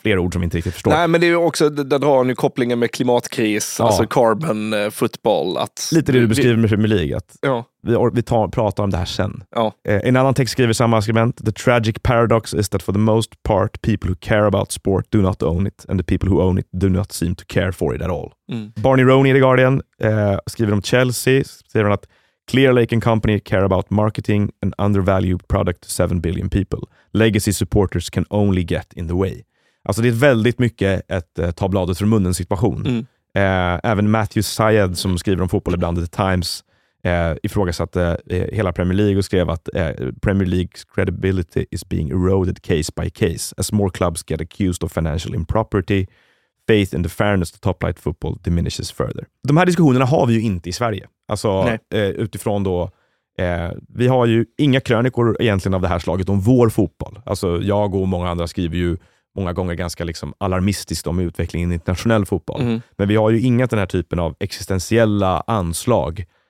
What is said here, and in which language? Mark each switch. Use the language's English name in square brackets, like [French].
[Swedish] Fler ord som inte riktigt förstår. Nej, men det är ju också, där drar han ju kopplingen med klimatkris, ja, alltså carbon football. Att lite det du beskriver med Premier League, att ja, vi pratar om det här sen. Ja. En annan text skriver samma argument: [English] "The tragic paradox is that for the most part people who care about sport do not own it, and the people who own it do not seem to care for it at all." Mm. Barney Roney i The Guardian [Swedish] skriver om Chelsea, skriver han att [English] "Clear Lake and Company care about marketing an undervalued product to 7 billion people. Legacy supporters can only get in the way." [Swedish] Alltså det är väldigt mycket ett ta bladet från munnen situation. Mm. Även Matthew Syed som skriver om fotboll ibland i The Times ifrågasatte hela Premier League och skrev att [English] "Premier League's credibility is being eroded case by case as more clubs get accused of financial impropriety. Faith in the fairness of top flight football diminishes further." [Swedish] De här diskussionerna har vi ju inte i Sverige. Alltså utifrån då vi har ju inga krönikor egentligen av det här slaget om vår fotboll. Alltså jag och många andra skriver ju många gånger ganska liksom alarmistiskt om utvecklingen i internationell fotboll. Mm. Men vi har ju inga den här typen av existentiella anslag.